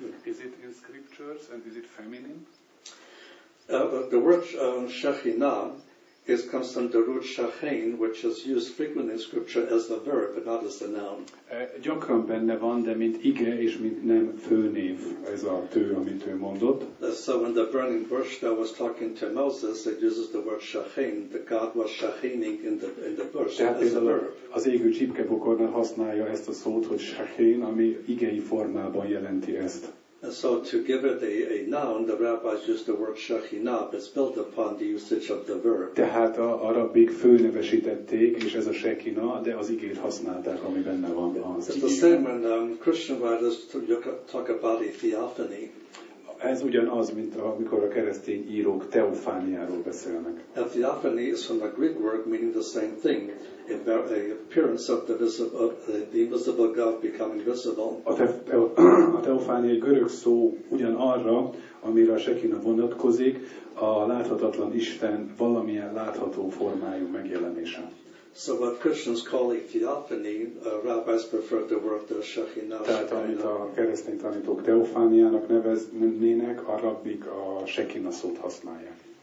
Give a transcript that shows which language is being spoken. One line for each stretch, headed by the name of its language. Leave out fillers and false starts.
English: Is it in scriptures and is it feminine? The word Shekina is comes from the root shachein, which is used frequently in scripture as a verb, but not as a noun.
Hungarian: Gyakran benne van, de mint ige és mint nem főnév ez a tő, amit ő mondott.
English: So in the burning bush that was talking to Moses, it uses the word shachein, that God was shacheining in the bush as a verb.
Hungarian: Az égő csipkebokornál használja ezt a szót, hogy shachein, ami igei formában jelenti ezt.
English: And so to give it a noun, the rabbis used the word shachina, but it's built upon the usage of the verb.
Hungarian: Tehát a arabik főnevesítették, és ez a shachina, de az igét használták, ami benne van az igében.
English: It's the same when Christian writers talk about a theophany.
Hungarian: Ez ugyanaz, mint amikor a keresztény írók teofániáról beszélnek.
English: A theophany is from the Greek word meaning the same thing, the appearance of the invisible God becoming visible.
Hungarian: A teofánia egy görög szó ugyanarra, amire a Shekina vonatkozik, a láthatatlan Isten valamilyen látható formájú megjelenése.
English: So what Christians call a theophany, rabbis prefer the word the Shekinah.
Hungarian: Tehát amit a keresztény tanítók teofániának neveznének, a rabbik a Shekinah szót használja.